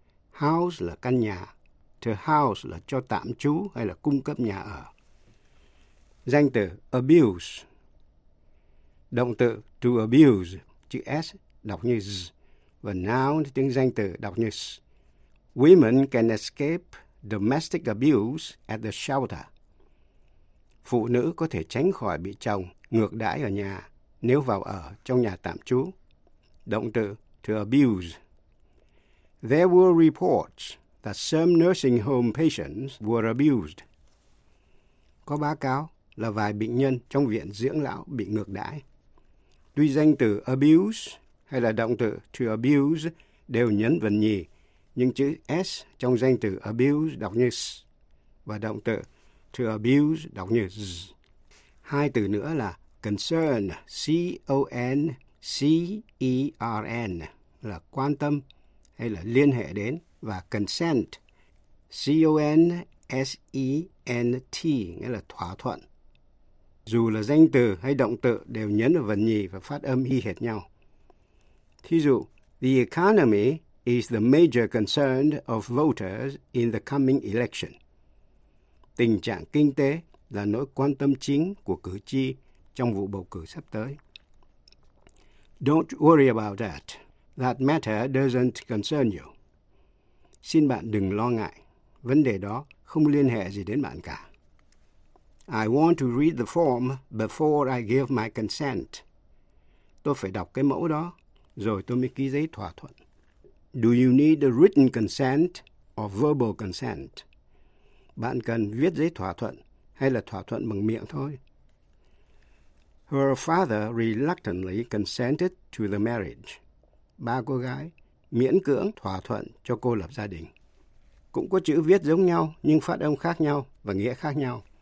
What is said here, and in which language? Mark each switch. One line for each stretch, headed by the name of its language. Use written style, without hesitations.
Vietnamese: House là căn nhà, to house là cho tạm trú hay là cung cấp nhà ở. Danh từ abuse, động từ to abuse, chữ S đọc như Z và noun tiếng danh từ đọc như S.
English: Women can escape domestic abuse at the shelter.
Vietnamese: Phụ nữ có thể tránh khỏi bị chồng ngược đãi ở nhà nếu vào ở trong nhà tạm trú. Động từ to abuse.
English: There were reports that some nursing home patients were abused.
Vietnamese: Có báo cáo là vài bệnh nhân trong viện dưỡng lão bị ngược đãi. Tuy danh từ abuse hay là động từ to abuse đều nhấn vần nhì, nhưng chữ S trong danh từ abuse đọc như S và động từ to abuse đọc như Z. Hai từ nữa là concern, C-O-N-C-E-R-N, là quan tâm hay là liên hệ đến, và consent, C-O-N-S-E-N-T, nghĩa là thỏa thuận. Dù là danh từ hay động từ đều nhấn vào vần nhì và phát âm y hệt nhau. Thí dụ,
English: the economy is the major concern of voters in the coming election.
Vietnamese: Tình trạng kinh tế là nỗi quan tâm chính của cử tri trong vụ bầu cử sắp tới.
English: Don't worry about that. That matter doesn't concern you.
Vietnamese: Xin bạn đừng lo ngại. Vấn đề đó không liên hệ gì đến bạn cả.
English: I want to read the form before I give my consent.
Vietnamese: Tôi phải đọc cái mẫu đó, rồi tôi mới ký giấy thỏa thuận.
English: Do you need a written consent or verbal consent?
Vietnamese: Bạn cần viết giấy thỏa thuận hay là thỏa thuận bằng miệng thôi?
English: Her father reluctantly consented to the marriage.
Vietnamese: Ba cô gái miễn cưỡng thỏa thuận cho cô lập gia đình. Cũng có chữ viết giống nhau nhưng phát âm khác nhau và nghĩa khác nhau.